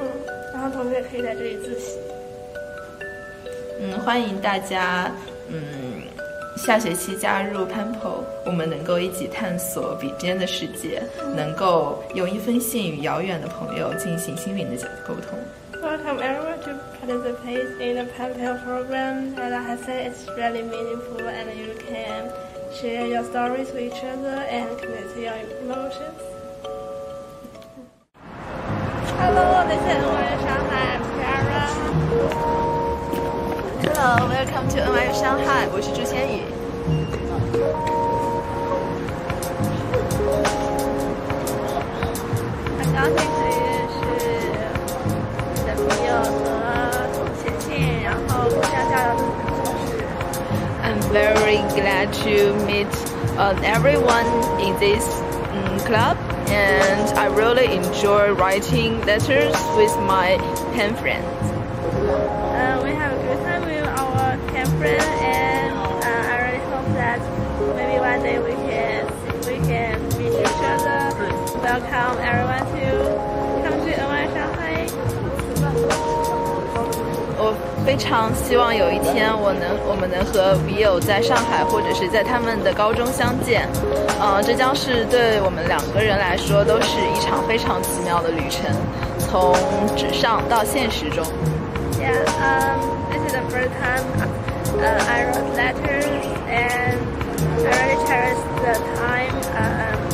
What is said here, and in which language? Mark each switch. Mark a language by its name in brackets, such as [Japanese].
[Chinese] 嗯，然后同学可以在这里自习。嗯，欢迎大家，下学期加入 Pempo, 我们能够一起探索笔尖的世界，能够用一封信与遥远的朋友进行心灵的沟通。 [English] Welcome everyone to participate in the Pempo program. And like I said, it's really meaningful and you can share your stories with each other and connect to your emotions. Hello, this is NYU Shanghai, I'm Clara. Hello, welcome to NYU Shanghai, [Chinese] 我是朱仙宇。很高兴可以认识你的朋友和写信，然后互相交流自己的故事。 [English] I'm very glad to meet everyone in this club, and I really enjoy writing letters with my pen friend. We have a good time with our pen friend. Welcome everyone to come to NYU Shanghai. [Chinese] 我非常希望有一天我们能和笔友在上海或者是在他们的高中相见。这将是对我们两个人来说都是一场非常奇妙的旅程，从纸上到现实中。 [English] Yeah, this is the first time I wrote letters and I really cherish the time.